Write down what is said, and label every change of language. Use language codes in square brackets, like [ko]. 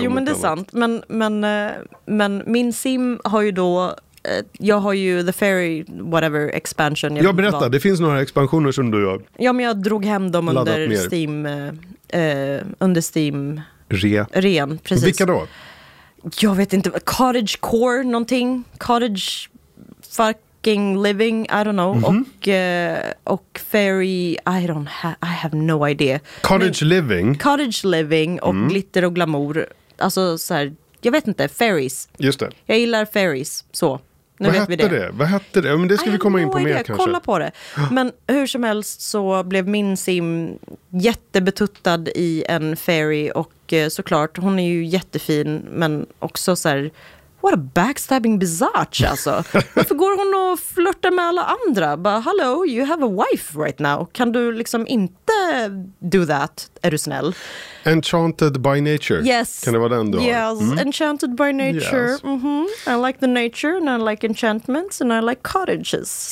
[sv] Jo, men det är sant. Men min sim har ju då... Jag har ju The Fairy Whatever expansion. Jag berättar, det finns några expansioner som du har... Ja, men jag drog hem dem under Steam... under Steam... Ren, precis. Vilka då? Jag vet inte. Cottage Core, någonting. [en] Cottage fucking living, I don't know. Mm-hmm. [sv] Och [en] Fairy... I have no idea. [sv] Cottage men, living? Cottage living och glitter och glamour. Alltså så här... Jag vet inte, fairies. Just det. Jag gillar fairies, så. Nu vad vet hette vi det. Det? Vad hette det? Men det ska vi komma in på mer kanske. Kolla på det. Men hur som helst så blev min sim jättebetuttad i en fairy. Och såklart, hon är ju jättefin. Men också så här, [en] what a backstabbing bizarch [sv] alltså. Varför går hon och flörtar med alla andra? Bara, [en] hello, you have a wife right now. [sv] Kan du liksom inte [en] do that? [sv] Är du snäll? [en] Enchanted by nature. Yes. [sv] Kan det vara den du har? [en] Yes, enchanted by nature. Yes. Mm-hmm. I like the nature and I like enchantments and I like cottages.